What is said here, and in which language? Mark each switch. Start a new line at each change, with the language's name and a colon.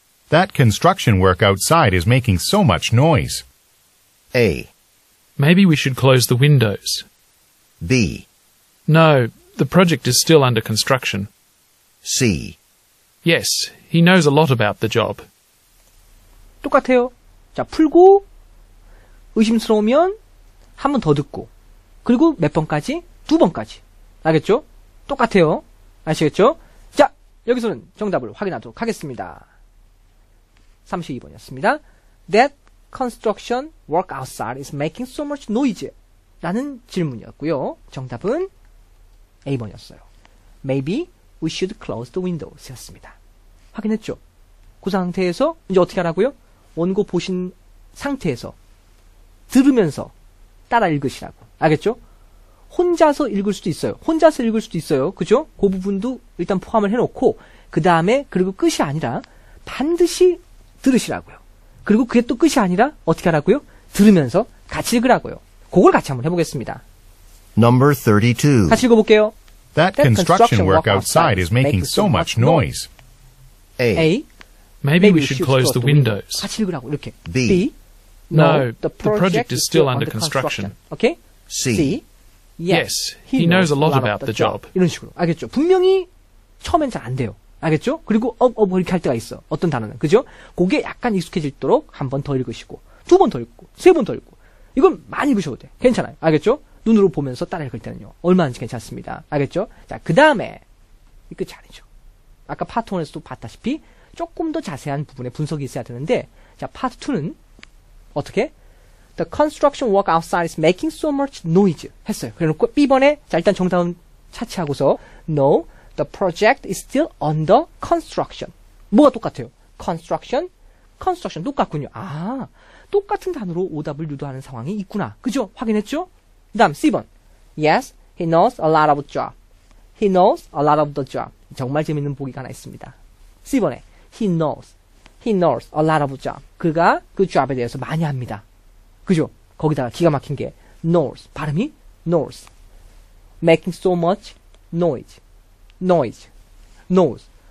English: That construction work outside is making so much noise. A. Maybe we should close the windows. B. No, the project is still under construction. C. Yes, he knows a lot about the job.
Korean: 똑같아요. 자, 풀고 의심스러우면 한 번 더 듣고 그리고 몇 번까지? 두 번까지. 알겠죠? 똑같아요. 아시겠죠? 자, 여기서는 정답을 확인하도록 하겠습니다. 32번이었습니다.
English: That construction work outside is making so much noise.
Korean: 라는 질문이었고요. 정답은 A번이었어요.
English: Maybe we should close the windows
Korean: 였습니다. 확인했죠? 그 상태에서 이제 어떻게 하라고요? 원고 보신 상태에서 들으면서 따라 읽으시라고. 알겠죠? 혼자서 읽을 수도 있어요. 혼자서 읽을 수도 있어요. 그죠? 그 부분도 일단 포함을 해놓고 그 다음에 그리고 끝이 아니라 반드시 들으시라고요. 그리고 그게 또 끝이 아니라 어떻게 하라고요? 들으면서 같이 읽으라고요. 그걸 같이 한번 해보겠습니다.
English: Number 32.
Korean: 같이 읽어볼게요.
English: That construction work outside is making so much noise. A. Maybe we should close the windows.
Korean: 같이 읽으라고 이렇게.
English: B. No, the project is still under construction. Okay. C. Yes, he knows a lot about the job.
Korean: 이런 식으로. 알겠죠? 분명히 처음엔 잘 안 돼요. 알겠죠? 그리고 뭐 이렇게 할 때가 있어. 어떤 단어는. 그죠? 그게 약간 익숙해질도록 한 번 더 읽으시고, 두 번 더 읽고, 세 번 더 읽고. 이건 많이 읽으셔도 돼. 괜찮아요. 알겠죠? 눈으로 보면서 따라 읽을 때는요. 얼마든지 괜찮습니다. 알겠죠? 자, 그 다음에, 이 끝이 아니죠. 아까 파트 1에서도 봤다시피, 조금 더 자세한 부분에 분석이 있어야 되는데, 자, 파트 2는, 어떻게?
English: The construction work outside is making so much noise.
Korean: 했어요. 그래놓고 B번에, 자, 일단 정답은 차치하고서,
English: No, the project is still under construction.
Korean: 뭐가 똑같아요?
English: Construction, construction.
Korean: 똑같군요. 아, 똑같은 단어로 오답을 유도하는 상황이 있구나. 그죠? 확인했죠? 그 다음 C번.
English: Yes, he knows a lot of the job. He knows a lot of the job.
Korean: 정말 재밌는 보기가 하나 있습니다. C번에.
English: He knows a lot of the job.
Korean: 그가 그 job에 대해서 많이 압니다. 그죠? 거기다가 기가 막힌 게 knows. 발음이 knows.
English: Making so much noise. Noise. Knows.